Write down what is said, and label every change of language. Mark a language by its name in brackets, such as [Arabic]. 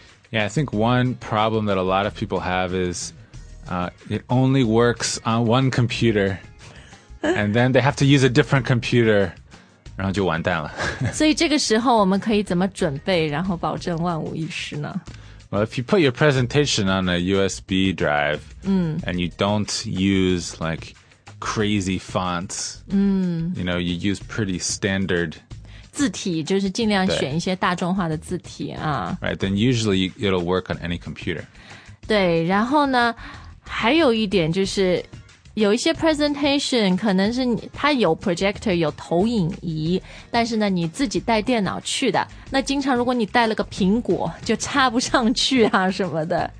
[English] Yeah, I think one problem that a lot of people have is, it only works on one computer, and then they have to use a different computer, [Chinese] 然后就完蛋了。所以这个时候我们可以怎么准备然后保证万无一失呢 [English] Well, if you put your presentation on a USB drive, and you don't use like crazy fonts, you know, you use pretty standard [Chinese] 字体就是尽量选一些大众化的字体啊。 [English] Right, then usually it'll work on any computer. [Chinese] 对，然后呢，还有一点就是有一些 presentation 可能是它有 projector 有投影仪但是呢你自己带电脑去的那经常如果你带了个苹果就插不上去啊什么的